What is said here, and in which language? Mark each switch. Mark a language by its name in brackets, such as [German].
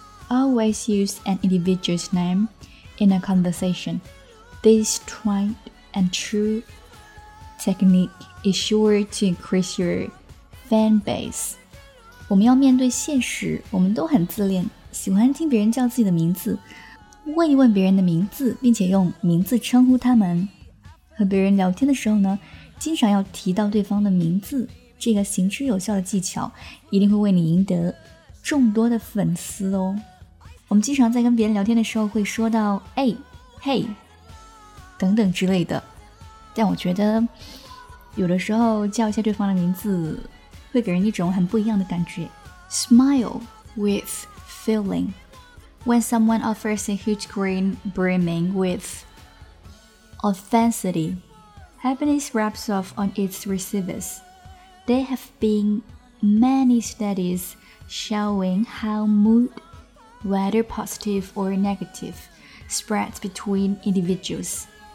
[English] Always use an individual's nameIn a conversation, this tried and true technique is sure to increase your fan base. [Chinese] 我们要面对现实，我们都很自恋，喜欢听别人叫自己的名字，问一问别人的名字，并且用名字称呼他们。和别人聊天的时候呢，经常要提到对方的名字，这个行之有效的技巧一定会为你赢得众多的粉丝哦。我们经常在跟别人聊天的时候会说到哎、hey, 等等之类的，但我觉得有的时候叫一下对方的名字会给人一种很不一样的感觉。 [English] Smile with feeling. When someone offers a huge grin, brimming with authenticity, happiness wraps off on its receivers. There have been many studies showing how moodWhether positive or negative, spreads between individuals.